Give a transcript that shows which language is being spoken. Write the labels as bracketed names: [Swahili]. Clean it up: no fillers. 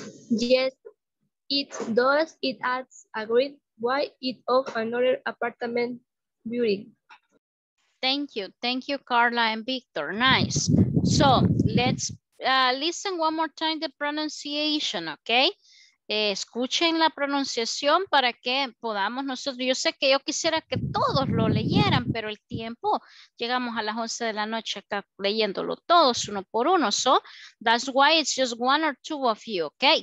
[English] Yes, it does. It adds a great white of another apartment building. Thank you. Thank you, Carla and Victor. Nice. So let's listen one more time the pronunciation, okay? [Spanish] Escuchen la pronunciación para que podamos nosotros. Yo sé que yo quisiera que todos lo leyeran, pero el tiempo, llegamos a las 11 de la noche acá leyéndolo todos uno por uno. [English] So that's why it's just one or two of you, okay?